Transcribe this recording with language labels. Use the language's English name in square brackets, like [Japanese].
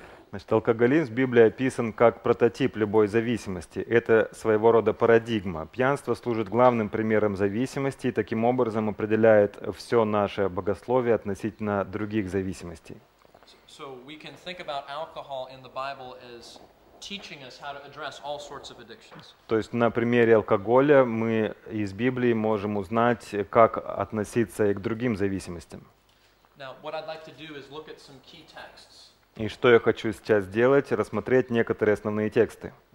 [Russian] Значит, алкоголизм в Библии описан как прототип любой зависимости. Это своего рода парадигма. Пьянство служит главным примером зависимости и таким образом определяет все наше богословие относительно других зависимостей. [English] So we can think about alcohol in the Bible as teaching us how to address all sorts of addictions. [Russian] То есть на примере алкоголя мы из Библии можем узнать, как относиться и к другим зависимостям. [English] Now, what I'd like to do is look at some key texts. [Russian] И что я хочу сейчас сделать, рассмотреть некоторые основные тексты.